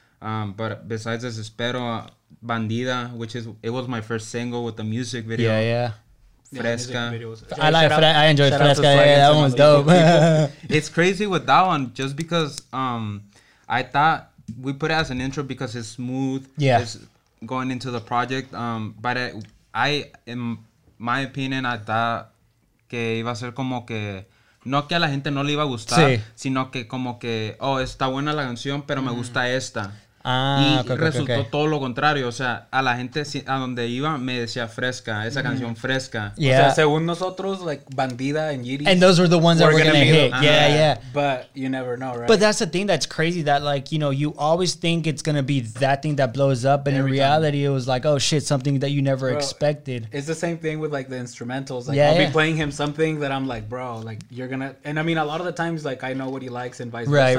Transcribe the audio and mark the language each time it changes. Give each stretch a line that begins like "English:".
English: But besides Desespero, Bandida, which is, it was my first single with the music video. Yeah, yeah. Fresca. Yeah, I like Fresca. I enjoy Fresca. Yeah, that one was dope. It's crazy with that one, just because I thought we put it as an intro because it's smooth. Yeah. It's going into the project. But I, in my opinion, I thought
Spanish: que iba a ser como que, no que a la gente no le iba a gustar, sino que como que, oh, está buena la canción, pero me gusta esta. Y resultó todo lo contrario. O sea, a la gente a donde iba me decía Fresca, esa canción Fresca.
English: Yeah.
Spanish: O sea, según nosotros,
English: like
Spanish: Bandida and Yiris.
English: And those were the ones that were gonna hit. Uh-huh. Yeah, yeah. But you never know, right? But that's the thing that's crazy, that like, you know, you always think it's gonna be that thing that blows up, but every in reality time. It was like, oh shit, something that you never expected. It's the same thing with like the instrumentals. Like I'll be playing him something that I'm like, bro, like you're gonna, and I mean a lot of the times like I know what he likes and vice versa.